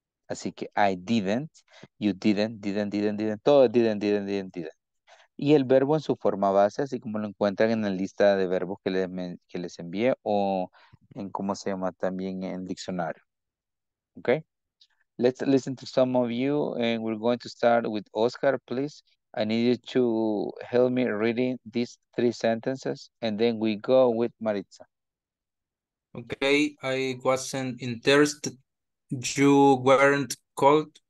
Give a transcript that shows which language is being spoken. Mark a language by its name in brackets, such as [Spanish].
[Spanish] Así que [English] I didn't, you didn't, todo didn't. [Spanish] Y el verbo en su forma base, así como lo encuentran en la lista de verbos que les envié o en cómo se llama también en diccionario. [English] Okay? Let's listen to some of you and we're going to start with Oscar, please. I need you to help me reading these three sentences and then we go with Maritza. Okay, I wasn't interested. You weren't cold.